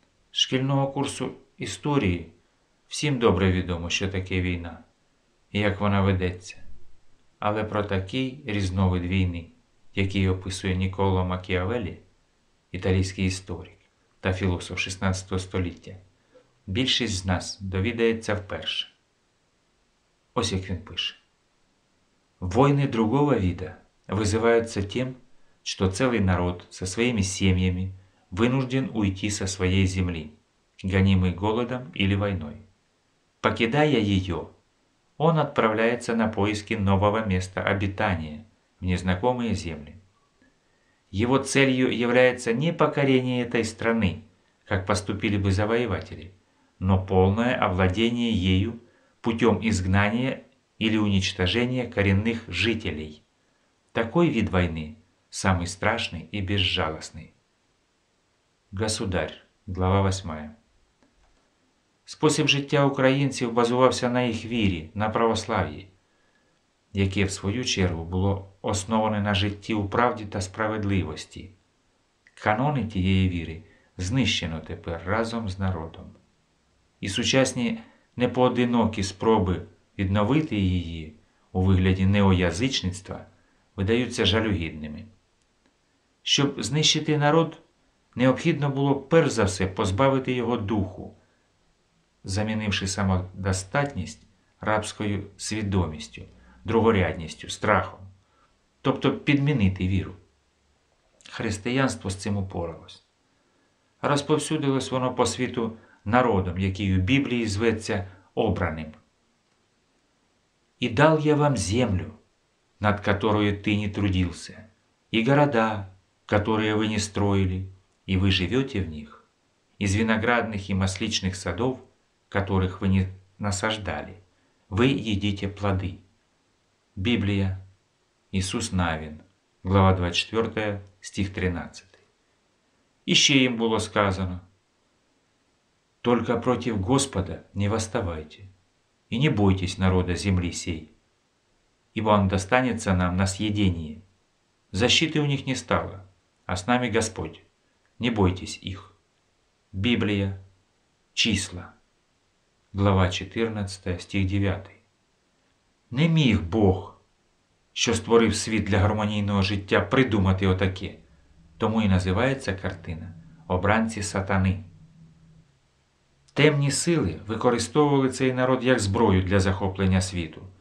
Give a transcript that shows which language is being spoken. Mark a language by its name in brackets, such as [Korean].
[Ukrainian] З шкільного курсу історії всім добре відомо, що таке війна і як вона ведеться. Але про такий різновид війни, який описує Ніколо Макіавеллі, італійський історик та філософ 16 століття, більшість з нас довідається вперше. Ось як він пише. [Russian] Войны другого вида визиваються тим, что целый народ со своими семьями вынужден уйти со своей земли, гонимый голодом или войной. Покидая ее, он отправляется на поиски нового места обитания в незнакомые земли. Его целью является не покорение этой страны, как поступили бы завоеватели, но полное овладение ею путем изгнания или уничтожения коренных жителей. Такой вид войны самый страшный и безжалостный. Государь, глава 8. [Ukrainian] Спосіб життя українців базувався на їх вірі, на православ'ї, яке, в свою чергу, було основане на житті у правді та справедливості. Канони тієї віри знищено тепер разом з народом. І сучасні непоодинокі спроби відновити її у вигляді неоязичництва видаються жалюгідними. Щоб знищити народ, необхідно було перш за все позбавити його духу, замінивши самодостатність рабською свідомістю, другорядністю, страхом, тобто підмінити віру. Християнство з цим упоралось. Розповсюдилось воно по світу народом, який у Біблії зветься обраним. [Russian] «І дал я вам землю, над которою ти не трудился, і города, которые вы не строили, и вы живете в них, из виноградных и масличных садов, которых вы не насаждали, вы едите плоды». Библия, Иисус Навин, глава 24, стих 13. Еще им было сказано: «Только против Господа не восставайте, и не бойтесь народа земли сей, ибо он достанется нам на съедение. Защиты у них не стало, а с нами Господь, не бойтесь их». Библия, числа, глава 14, стих 9. [Ukrainian] Не міг Бог, що створив світ для гармонійного життя, придумати отаке, тому і називається картина «Обранці сатани». Темні сили використовували цей народ як зброю для захоплення світу.